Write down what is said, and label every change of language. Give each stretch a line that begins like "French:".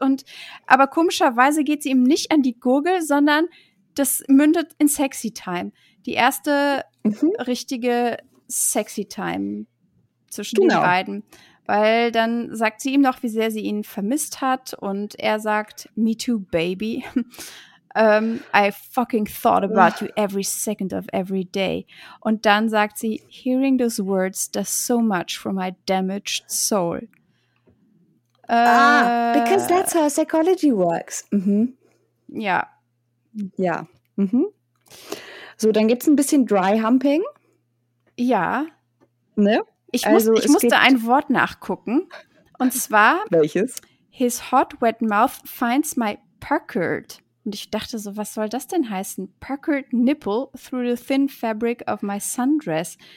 German: Und aber komischerweise geht sie ihm nicht an die Gurgel, sondern das mündet in Sexy Time. Die erste richtige Sexy Time zwischen genau. den beiden. Weil dann sagt sie ihm noch, wie sehr sie ihn vermisst hat. Und er sagt,
English: me too, baby. I fucking thought about you every second of every day.
German: Und dann sagt sie,
English: hearing those words does so much for my damaged soul. Because that's how psychology works.
German: Mhm. Ja. Ja. Mhm. So, dann gibt es ein bisschen Dry-Humping. Ja. Ne? Ich musste ein Wort nachgucken. Und zwar... Welches?
English: His hot, wet mouth finds my puckered.
German: Und ich dachte so, was soll das denn heißen?
English: Puckered nipple through the thin fabric of my sundress.